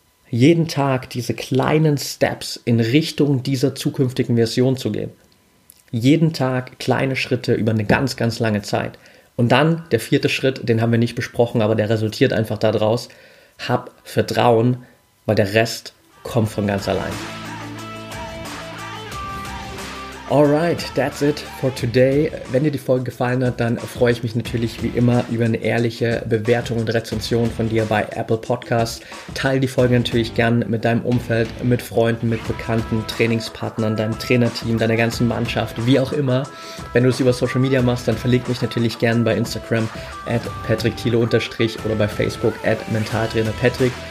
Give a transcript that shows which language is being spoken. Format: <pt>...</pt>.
<de>Jeden Tag diese kleinen Steps in Richtung dieser zukünftigen Version zu gehen. Jeden Tag kleine Schritte über eine ganz, ganz lange Zeit. Und dann der vierte Schritt, den haben wir nicht besprochen, aber der resultiert einfach daraus: Hab Vertrauen, weil der Rest kommt von ganz allein.</de> <en>Alright, that's it for today.</en> <de>Wenn dir die Folge gefallen hat, dann freue ich mich natürlich wie immer über eine ehrliche Bewertung und Rezension von dir bei Apple Podcasts. Teil die Folge natürlich gern mit deinem Umfeld, mit Freunden, mit Bekannten, Trainingspartnern, deinem Trainerteam, deiner ganzen Mannschaft, wie auch immer. Wenn du es über Social Media machst, dann verlinke mich natürlich gern bei Instagram @patrickthiele_ oder bei Facebook @mentaltrainerpatrick.</de>